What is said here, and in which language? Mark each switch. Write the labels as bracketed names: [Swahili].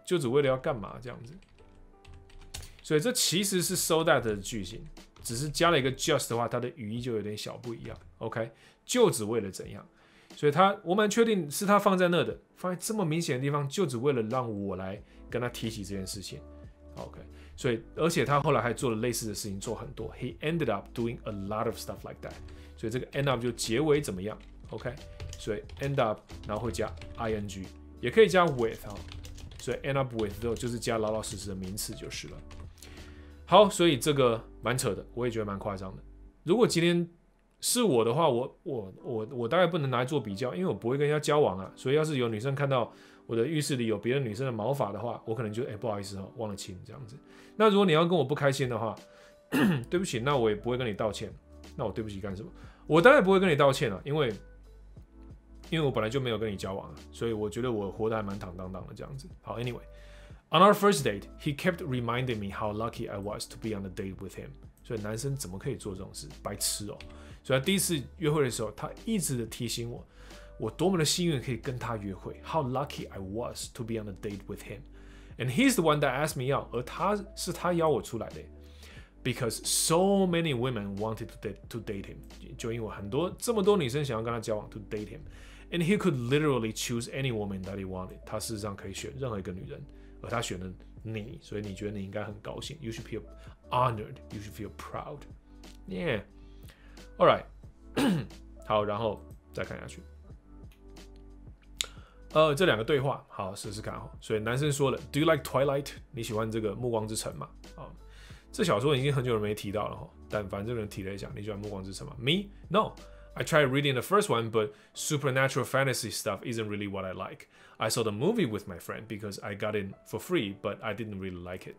[Chinese] 就只为了要干嘛这样子，所以这其实是 so that 的句型，只是加了一个 just 的话，它的语义就有点小不一样 ，OK， 就只为了怎样，所以它我蛮确定是它放在那的，放在这么明显的地方，就只为了让我来跟他提起这件事情 ，OK。所以，而且他后来还做了类似的事情，做很多。 [English] He ended up doing a lot of stuff like that。 [Chinese] 所以这个 end up 就结尾怎么样 ？OK。所以 end up， 然后会加 ing， 也可以加 with 哈。所以 end up with 之后就是加老老实实的名词就是了。好，所以这个蛮扯的，我也觉得蛮夸张的。如果今天是我的话，我大概不能拿来做比较，因为我不会跟人家交往啊。所以要是有女生看到，我的浴室里有别的女生的毛发的话，我可能就不好意思哦，忘了亲这样子。那如果你要跟我不开心的话，对不起，那我也不会跟你道歉。那我对不起干什么？我当然不会跟你道歉了、啊，因为我本来就没有跟你交往、啊、所以我觉得我活得还蛮坦荡荡的这样子。 [English] 好 ，Anyway， on our first date， he kept reminding me how lucky I was to be on a date with him。 [Chinese] 所以男生怎么可以做这种事？白痴哦！所以他第一次约会的时候，他一直的提醒我。我多么的幸运可以跟他约会 [English] ，How lucky I was to be on a date with him, and he's the one that asked me out. [Chinese] 而他是他邀我出来的 [English] ，because so many women wanted to date him. [Chinese] 就因为很多这么多女生想要跟他交往 [English] ，to date him, and he could literally choose any woman that he wanted. [Chinese] 他事实上可以选任何一个女人，而他选了你，所以你觉得你应该很高兴 ， [English] You should feel honored. You should feel proud. Yeah. All right. [Chinese] 好，然后再看下去。这两个对话，好试试看哈。所以男生说了 [English] ，Do you like Twilight？ [Chinese] 你喜欢这个《暮光之城》吗？啊、哦，这小说已经很久没提到了哈。但反正这个人提了一下，你喜欢《暮光之城》吗 ？Me? [English] No. I tried reading the first one, but supernatural fantasy stuff isn't really what I like. I saw the movie with my friend because I got in for free, but I didn't really like it.